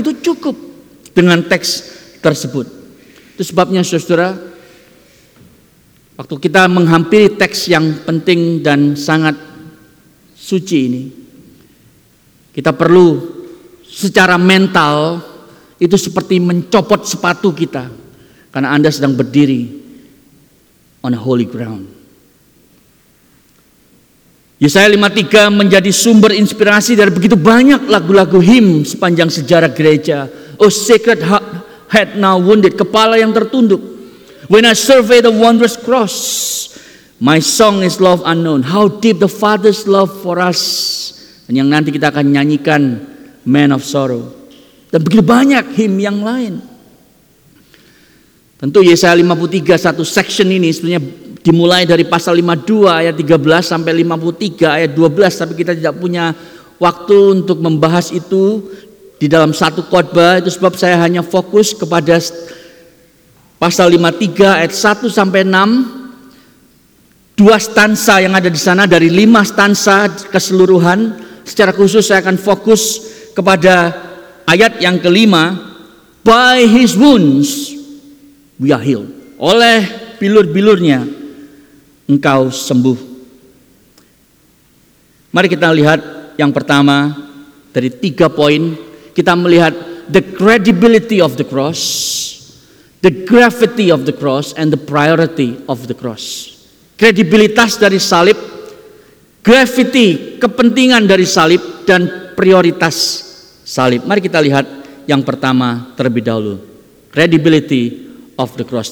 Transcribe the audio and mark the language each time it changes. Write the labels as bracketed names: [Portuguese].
[Indonesian] Itu cukup dengan teks tersebut. Itu sebabnya saudara, waktu kita menghampiri teks yang penting dan sangat suci ini, kita perlu secara mental itu seperti mencopot sepatu kita, karena Anda sedang berdiri [English] on a holy ground. [Indonesian] Yesaya 53 menjadi sumber inspirasi dari begitu banyak lagu-lagu him sepanjang sejarah gereja. [English] Oh sacred heart, head now wounded, [Indonesian] kepala yang tertunduk. [English] When I survey the wondrous cross, my song is love unknown. How deep the Father's love for us. [Indonesian] Dan yang nanti kita akan nyanyikan, Man of Sorrow. Dan begitu banyak hymn yang lain. Tentu Yesaya 53, satu section ini sebenarnya dimulai dari pasal 52 ayat 13 sampai 53 ayat 12. Tapi kita tidak punya waktu untuk membahas itu di dalam satu khotbah, itu sebab saya hanya fokus kepada pasal 53 ayat 1 sampai 6. Dua stansa yang ada di sana dari lima stansa keseluruhan. Secara khusus saya akan fokus kepada ayat yang kelima. [English] By his wounds we are healed. [Indonesian] Oleh bilur-bilurnya engkau sembuh. Mari kita lihat yang pertama dari tiga poin. Kita melihat [English] the credibility of the cross, the gravity of the cross, and the priority of the cross. [Indonesian] Kredibilitas dari salib, gravity, kepentingan dari salib, dan prioritas salib. Mari kita lihat yang pertama terlebih dahulu. [English] Credibility of the cross.